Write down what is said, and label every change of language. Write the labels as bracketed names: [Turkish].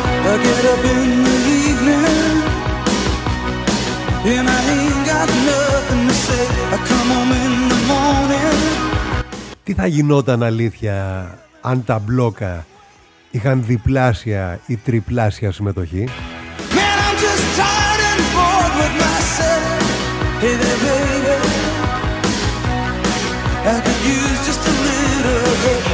[English] I get up in the evening and I ain't got nothing to say. I come home in the morning. [Greek] Τι θα γινόταν αλήθεια αν τα μπλόκα είχαν διπλάσια ή τριπλάσια συμμετοχή? [English] Man, I'm just tired and bored with myself. Hey there, baby. I could use just a little help.